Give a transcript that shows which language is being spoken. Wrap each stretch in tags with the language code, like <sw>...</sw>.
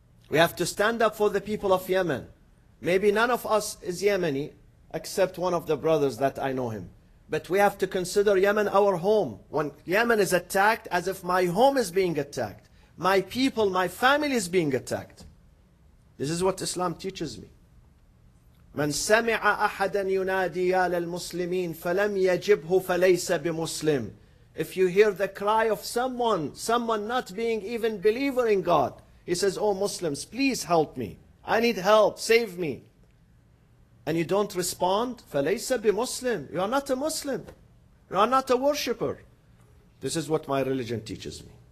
<en>We have to stand up for the people of Yemen. Maybe none of us is Yemeni, except one of the brothers that I know him. But we have to consider Yemen our home. When Yemen is attacked, as if my home is being attacked. My people, my family is being attacked. This is what Islam teaches me.</en> <ar>من سمع أحدا ينادي يا للمسلمين فلم يجبه فليس بمسلم.</ar> <en>If you hear the cry of someone not being even believer in God, he says, oh Muslims, please help me. I need help, save me. And you don't respond,</en> <ar>فليس بمسلم.</ar> <en>You are not a Muslim. You are not a worshipper. This is what my religion teaches me.</en>